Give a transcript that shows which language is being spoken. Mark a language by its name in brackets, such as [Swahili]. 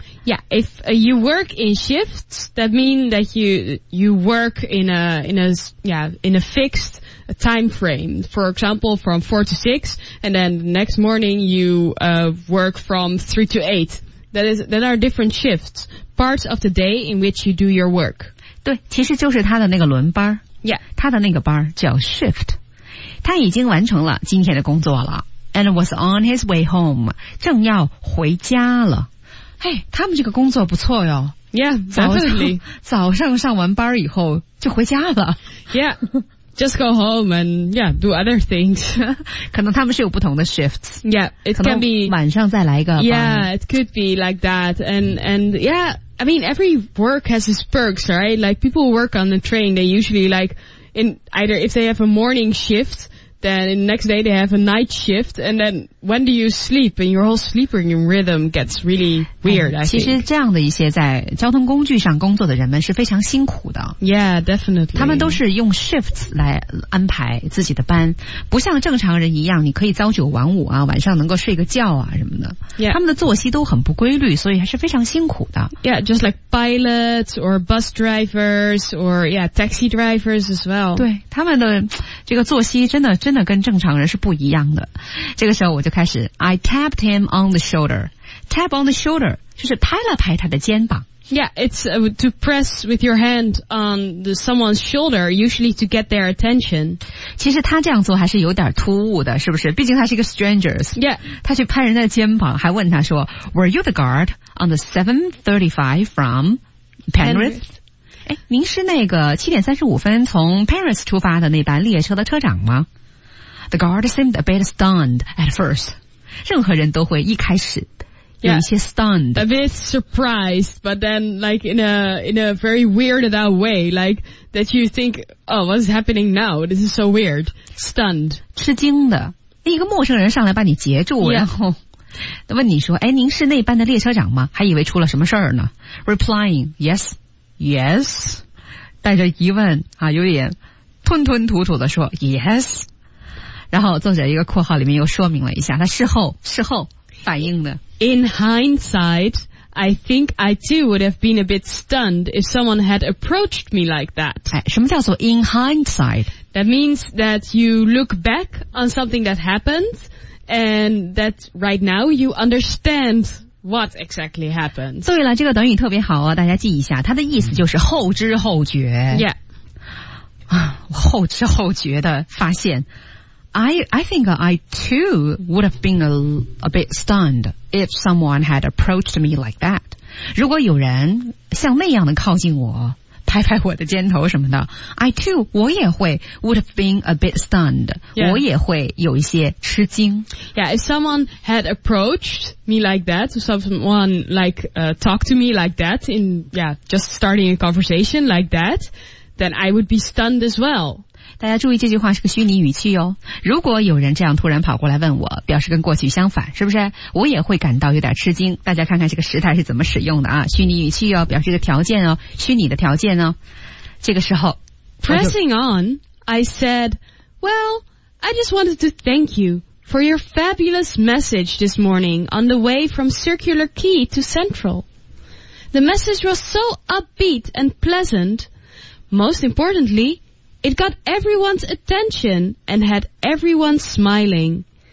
[English] Yeah, if you work in shifts, that means that you work in a fixed time frame. For example, from 4 to 6, and then the next morning you work from 3 to 8. That are different shifts, parts of the day in which you do your work. [Chinese] 对，其实就是他的那个轮班。 [English] Yeah, [Chinese] 他的那个班叫 shift. 他已经完成了今天的工作了 ， [English] and was on his way home. [Chinese] 正要回家了。嘿，他们这个工作不错哟。 [English] Yeah, definitely. [Chinese] 早上上完班以后就回家了。 [English] Yeah, just go home and yeah, do other things. [Chinese] 可能他们是有不同的 shifts. [English] Yeah, it can be. [Chinese] 晚上再来一个班。 [English] Yeah, it could be like that. And yeah, I mean, every work has its perks, right? Like people who work on the train, they usually like in either if they have a morning shift,then the next day they have a night shift, and then when do you sleep? And your whole sleeping rhythm gets really weird, I think. [Chinese] 其实这样的一些在交通工具上工作的人们是非常辛苦的。 [English] Yeah, definitely. [Chinese] 他们都是用 shifts 来安排自己的班，不像正常人一样，你可以朝九晚五啊，晚上能够睡个觉啊什么的。 [English] Yeah. [Chinese] 他们的作息都很不规律，所以还是非常辛苦的。 [English] Yeah, just like pilots or bus drivers or yeah, taxi drivers as well. [Chinese] 对，他们的这个作息真的真的跟正常人是不一样的。这个时候我就开始 [English] I tapped him on the shoulder. Tap on the shoulder [Chinese] 就是拍了拍他的肩膀。 [English] Yeah, it's to press with your hand on someone's shoulder, usually to get their attention. [Chinese] 其实他这样做还是有点突兀的，是不是？毕竟他是一个 strangers. [English] Yeah. [Chinese] 他去拍人家的肩膀，还问他说 [English] Were you the guard on the 735 from Penrith? [Chinese] 哎，您是那个7点35分从 Paris 出发的那班列车的车长吗？ [English] The guard seemed a bit stunned at first. [Chinese] 任何人都会一开始有一些 stunned. [English] Yeah, a bit surprised, but then like in a very weirded out way, like that you think, oh, what's happening now? This is so weird. Stunned. [Chinese] 吃惊的。一个陌生人上来把你截住、 [English] yeah. [Chinese] 然后问你说，哎，您是那班的列车长吗？还以为出了什么事儿呢。 [English] Replying, yes. [Chinese] Yes, 带着疑问啊，有点吞吞吐吐的说 Yes, 然后作者一个括号里面又说明了一下，他事后反应的。 [English] In hindsight, I think I too would have been a bit stunned if someone had approached me like that. [Chinese] 哎，什么叫做 [English] in hindsight? That means that you look back on something that happened, and that right now you understand. What exactly happened? [Chinese] 对了，这个短语特别好哦，大家记一下，它的意思就是后知后觉。 [English] Yeah. [Chinese] 后知后觉的发现。 [English] I think I too would have been a bit stunned if someone had approached me like that. [Chinese] 如果有人像那样的靠近我，拍拍我的肩头什么的， [English] I too, [Chinese] 我也会 [English] would have been a bit stunned,、 yeah. [Chinese] 我也会有一些吃惊。 [English] Yeah, if someone had approached me like that, someone like, talked to me like that, in, yeah, just starting a conversation like that, then I would be stunned as well. [Chinese] 大家注意这句话是个虚拟语气哦。如果有人这样突然跑过来问我，表示跟过去相反，是不是？我也会感到有点吃惊。大家看看这个时态是怎么使用的啊，虚拟语气哦，表示一个条件哦，虚拟的条件哦。这个时候 [English] Pressing on, I said, Well, I just wanted to thank you for your fabulous message this morning on the way from Circular Quay to Central. The message was so upbeat and pleasant. Most importantly,It got everyone's attention and had everyone smiling.